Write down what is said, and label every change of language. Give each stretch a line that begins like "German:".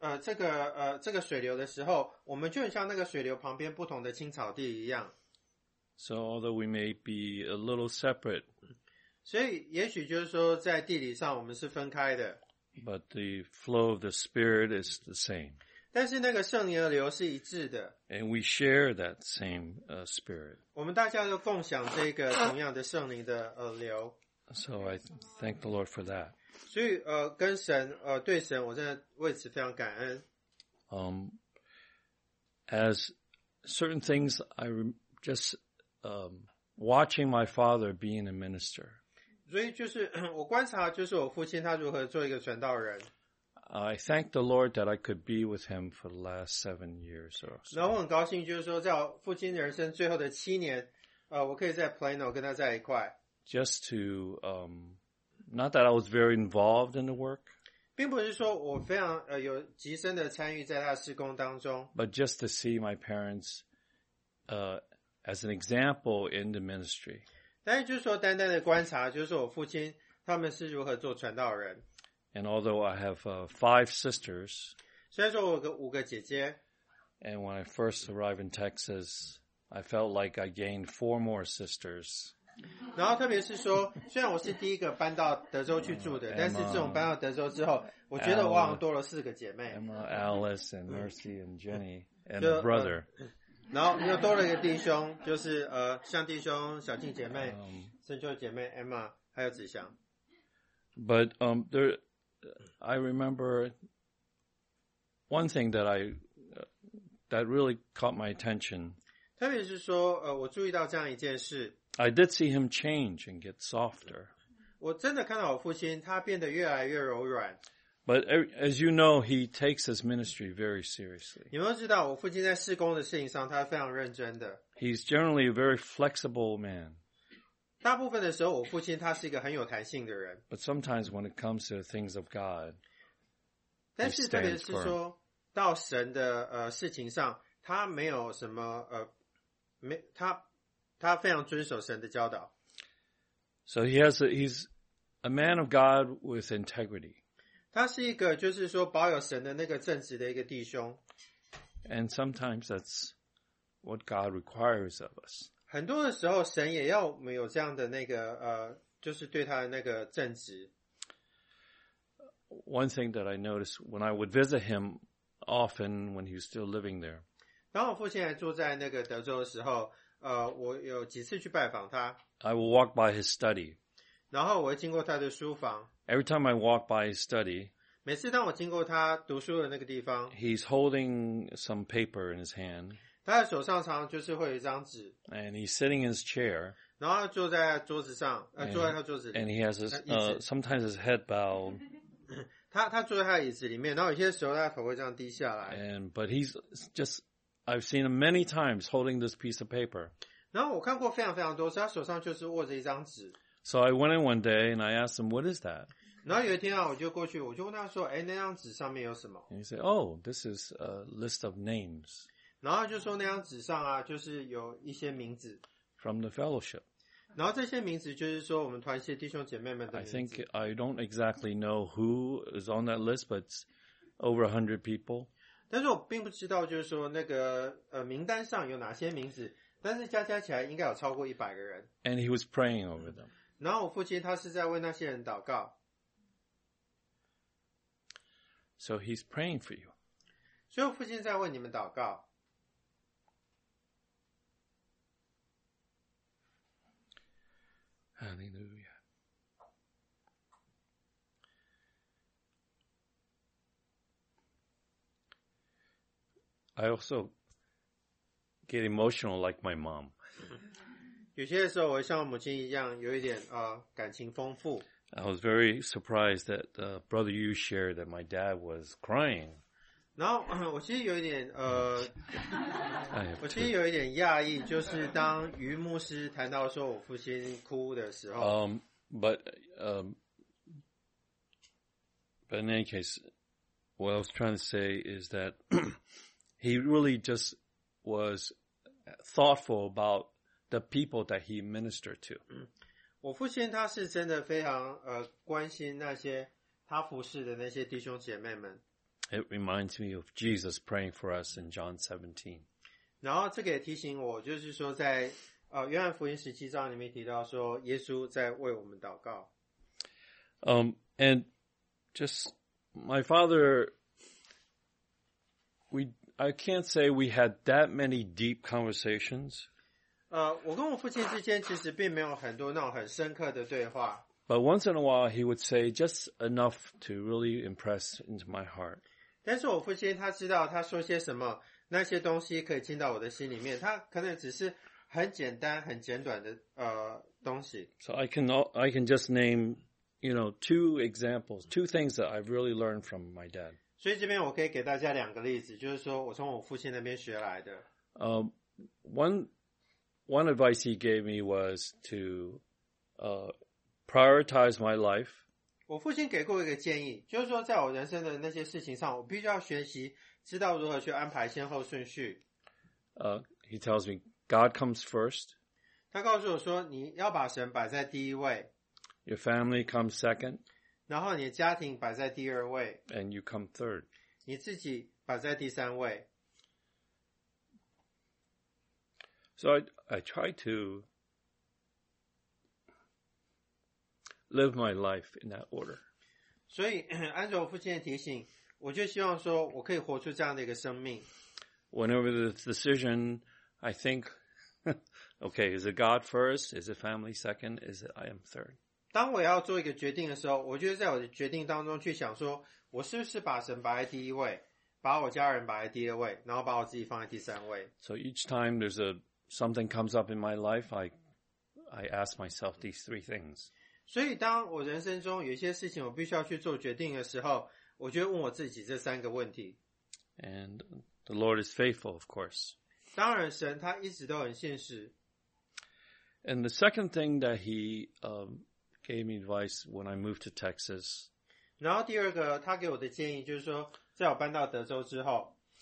Chinese: 这个水流的时候，我们就很像那个水流旁边不同的青草地一样。
English: So although we may be a little separate,
Chinese: 所以也许就是说在地理上我们是分开的。
English: But the flow of the Spirit is the same.
Chinese: 但是那个圣灵的流是一致的。
English: And we share that same, Spirit.
Chinese: 我们大家都共享这个同样的圣灵的流。
English: So I thank the Lord for that.
Chinese: 所以跟神对神，我真的为此非常感恩。
English: As certain things, I just watching my father being a minister.
Chinese: 所以就是我观察，就是我父亲他如何做一个传道人。
English: I thank the Lord that I could be with him for the last 7 years or so.
Chinese: 然后我很高兴，就是说在我父亲人生最后的七年，我可以在 Plano 跟他在一块。
English: Just to, not that I was very involved in the work.
Chinese: 并不是说我非常有极深的参与在他的事工当中。
English: But just to see my parents, as an example in the ministry.
Chinese: 但是就是说单单的观察，就是说我父亲他们是如何做传道人。
English: And although I have five sisters.
Chinese: 虽然说我有五个姐姐。
English: And when I first arrived in Texas, I felt like I gained four more sisters.
Chinese: 然后特别是说，虽然我是第一个搬到德州去住的，但是自从搬到德州之后，我觉得我好像多了四个姐妹。
English: Emma, Alice, and Mercy, and Jenny, and a brother.
Chinese: 然后又多了一个弟兄，就是像弟兄、小静姐妹、圣秋姐妹、Emma, 还有子祥。
English: But there, I remember one thing that I that really caught my attention.
Chinese: 特别是说，我注意到这样一件事。
English: I did see him change and get softer.
Chinese: 我真的看到我父亲，他变得越来越柔软。
English: But as you know, he takes his ministry very seriously.
Chinese: 你们都知道，我父亲在事工的事情上，他非常认真的。
English: He's generally a very flexible man.
Chinese: 大部分的时候，我父亲他是一个很有弹性的人。
English: But sometimes when it comes to the things of God,
Chinese: 但是特别是说到神的事情上，他没有什么没他。他非常遵守神的教导。
English: So he has a, he's a man of God with integrity.
Chinese: 他是一个就是说保有神的那个正直的一个弟兄。
English: And sometimes that's what God requires of us.
Chinese: 很多的时候神也要我们有这样的那个就是对他的那个正直。
English: One thing that I noticed when I would visit him often when he was still living there.
Chinese: 当我父亲还住在那个德州的时候我有几次去拜访他。
English: I will walk by his study.
Chinese: 然后我会经过他的书房。
English: Every time I walk by his study,
Chinese: 每次当我经过他读书的那个地方，
English: he's holding some paper in his hand.
Chinese: 他的手上常就是会有一张纸。
English: And he's sitting in his chair.
Chinese: 然后坐在桌子上，坐在他桌子里。
English: And he has his, sometimes his head bowed.
Chinese: 他坐在他的椅子里面，然后有些时候他的头会这样低下来。
English: And, but he's just,I've seen him many times holding this piece of paper.
Chinese: 然后我看过非常非常多，他手上就是握着一张纸。
English: So I went in one day and I asked him, "What is that?"
Chinese: 然后有一天啊，我就过去，我就问他说，哎，那张纸上面有什么？
English: And he said, "Oh, this is a list of names."
Chinese: 然后就说那张纸上啊，就是有一些名字。
English: From the fellowship.
Chinese: 然后这些名字就是说我们团契弟兄姐妹们的名字。
English: I think I don't exactly know who is on that list, but it's over 100 people.
Chinese: 但是我并不知道就是说那个名单上有哪些名字，但是加起来应该有超过100个人。
English: And he was praying over them.
Chinese: 然后我父亲他是在为那些人祷告。
English: So he's praying for you.
Chinese: 所以我父亲在为你们祷告。
English: Hallelujah. I also get emotional like my mom.
Chinese: 有些时候我像我母亲一样有一点感情丰富。
English: I was very surprised that Brother Yu shared that my dad was crying.
Chinese: 然后我其实有一点我其实有一点讶异，就是当于牧师谈到说我父亲哭的时候。
English: But in any case, what I was trying to say is that He really just was thoughtful about the people that he ministered to.
Chinese: 我父亲他是真的非常关心那些他服侍的那些弟兄姐妹们。
English: It reminds me of Jesus praying for us in John 17.
Chinese: 然后这个也提醒我，就是说在约翰福音十七章里面提到说耶稣在为我们祷告。
English: And just my father, I can't say we had that many deep conversations.
Chinese: 我跟我父亲之间其实并没有很多那种很深刻的对话。
English: But once in a while, he would say just enough to really impress into my heart.
Chinese: 但是我父亲他知道他说些什么，那些东西可以进到我的心里面，他可能只是很简单、很简短的东西。
English: So I can just name, you know, two examples, two things that I've really learned from my dad.
Chinese: 所以这边我可以给大家两个例子，就是说我从我父亲那边学来的。
English: One advice he gave me was to prioritize my life.
Chinese: 我父亲给过一个建议，就是说在我人生的那些事情上，我必须要学习知道如何去安排先后顺序。
English: He tells me God comes first.
Chinese: 他告诉我说你要把神摆在第一位。
English: Your family comes second.
Chinese: 然后你的家庭摆在第二位。
English: And you come third.
Chinese: 你自己摆在第三位。
English: So I try to live my life in that order.
Chinese: 所以按照我父亲的提醒，我就希望说我可以活出这样的一个生命。
English: Whenever the decision, I think, okay, is it God first? Is it family second? Is it I am third?
Chinese: 当我要做一个决定的时候，我就在我的决定当中去想说，我是不是把神摆在第一位，把我家人摆在第二位，然后把我自己放在第三位。
English: So each time there's something comes up in my life, I ask myself these three things.
Chinese: 所以当我人生中有一些事情我必须要去做决定的时候，我就问我自己这三个问题。
English: And the Lord is faithful, of course.
Chinese: 当然神他一直都很现实。
English: And the second thing that he gave me advice when I moved to Texas.
Chinese: 然后第二个他给我的建议就是说在我搬到德州之后。